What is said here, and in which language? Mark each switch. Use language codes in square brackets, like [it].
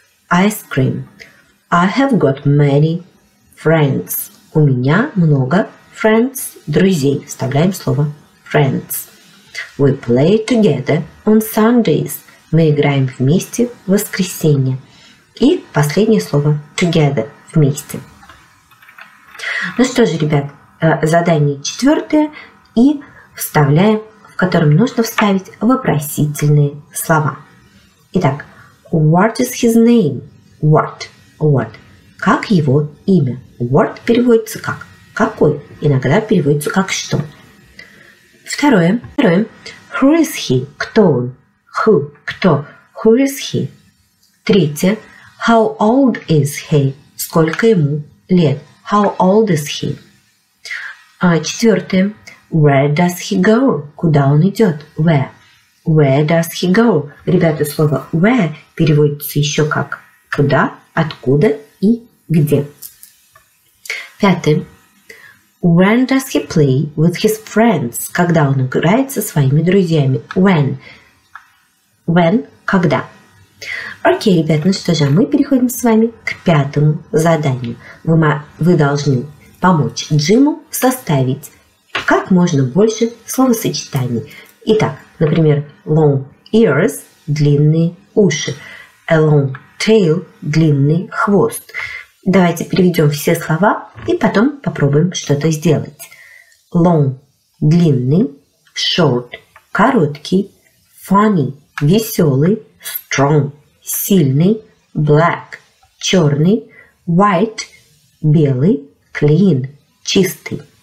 [en] Ice cream. I have got many friends. [ru] У меня много friends, друзей. Вставляем слово friends. [en] We play together on Sundays. [ru] Мы играем вместе в воскресенье. И последнее слово together, вместе. Ну что же, ребят, задание четвертое. И вставляем, в котором нужно вставить вопросительные слова. [en] Итак, what is his name? [ru] What? What? Как его имя? What переводится как? Какой? Иногда переводится как что? [en] Второе. Второе. Who is he? [ru] Кто он? [en] Who? Кто? Who is he? Третье. How old is he? [ru] Сколько ему лет? [en] How old is he? Четвертое. Where does he go? [ru] Куда он идет? [en] Where? Where does he go? [ru] Ребята, слово where переводится еще как куда, откуда и где. Пятое. [en] When does he play with his friends? [ru] Когда он играет со своими друзьями? [en] When? When? Когда? [ru] Окей, ребят, ну что же, мы переходим с вами к пятому заданию. Вы должны помочь Джиму составить как можно больше словосочетаний. Итак, например, [en] long ears [ru] – длинные уши. [en] A long tail [ru] – длинный хвост. Давайте переведем все слова и потом попробуем что-то сделать. Long – длинный, short – короткий, funny – веселый, strong – сильный, black, черный, white, белый, clean, чистый.